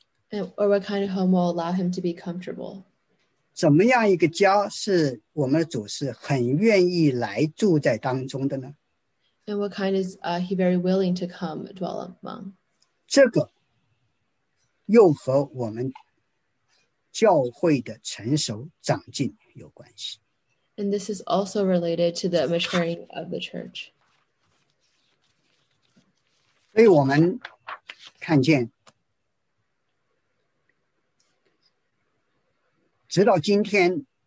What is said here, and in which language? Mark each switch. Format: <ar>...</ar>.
<en>And, or what kind of home will allow him to be comfortable?</en> <zh>怎么样一个家是我们的主是很愿意来住在当中的呢？</zh> <en>And what kind is he very willing to come dwell among?</en> <zh>这个又和我们教会的成熟长进有关系。</zh> <en>And this is also related to the maturing of the church.</en> <zh>所以我们看见，直到今天。</zh>